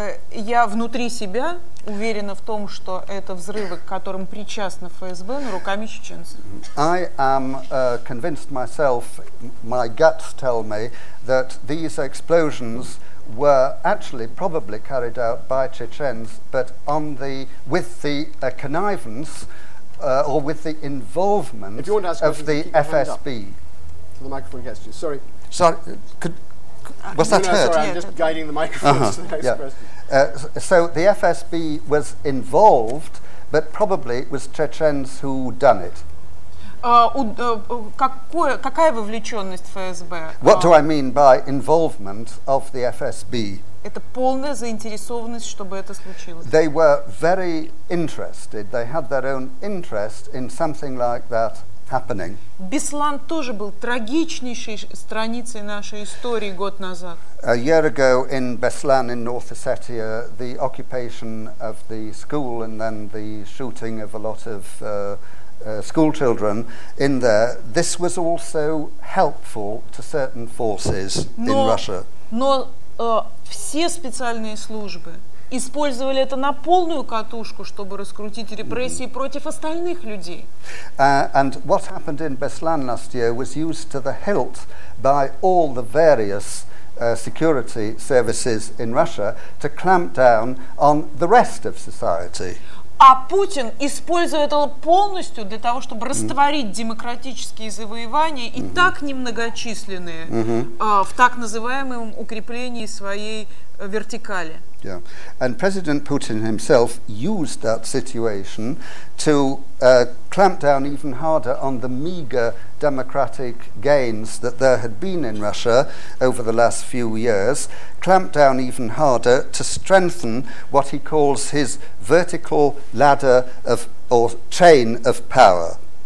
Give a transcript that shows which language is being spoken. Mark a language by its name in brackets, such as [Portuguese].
[Russian] Я внутри себя уверена в том, что это взрывы, к которым причастны ФСБ, но руками чеченцев. [English] I am convinced myself, my guts tell me, that these explosions were actually probably carried out by Chechens, but with the connivance or with the involvement of the FSB. So the microphone gets you. Sorry. Sorry. Was that heard? Sorry, I'm just guiding the microphone to the next question. So the FSB was involved, but probably it was Chechens who done it. [Russian] Какая вовлеченность ФСБ? [English] What do I mean by involvement of the FSB? [Russian] Это полная заинтересованность, чтобы это случилось. [English] They were very interested. They had their own interest in something like that happening. [Russian] Беслан тоже был трагичнейшей страницей нашей истории год назад. [English] A year ago in Beslan in North Ossetia, the occupation of the school and then the shooting of a lot of school children in there, this was also helpful to certain forces in Russia. [Russian] Все специальные службы использовали это на полную катушку, чтобы раскрутить репрессии против остальных людей. [English] And what happened in Beslan last year was used to the hilt by all the various security services in Russia to clamp down on the rest of society. [Russian] А Путин использует это полностью для того, чтобы растворить демократические завоевания и так немногочисленные в так называемом укреплении своей вертикали. [English] Yeah. And President Putin himself used that situation to clamp down even harder on the meager democratic gains that there had been in Russia over the last few years, clamp down even harder to strengthen what he calls his vertical ladder of or chain of power.